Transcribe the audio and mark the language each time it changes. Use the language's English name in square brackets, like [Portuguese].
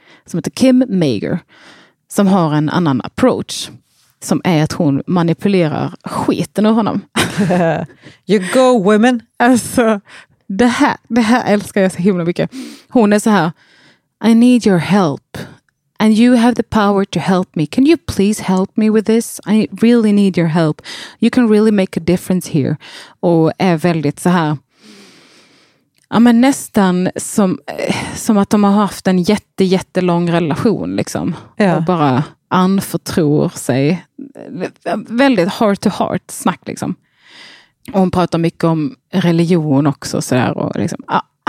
[Swedish] Som heter Kim Mager. Som har en annan approach. Som är att hon manipulerar skiten ur honom. [English] You go, women. [Swedish] Alltså, det här älskar jag så himla mycket. Hon är så här, [English] I need your help. And you have the power to help me. Can you please help me with this? I really need your help. You can really make a difference here. [Swedish] Och är väldigt så här. Ja, men nästan som att de har haft en jättelång relation. Liksom. [English] Yeah. [Swedish] Och bara anförtror sig. Väldigt heart to heart snack liksom. Och hon pratar mycket om religion också. Så där, och liksom, ja,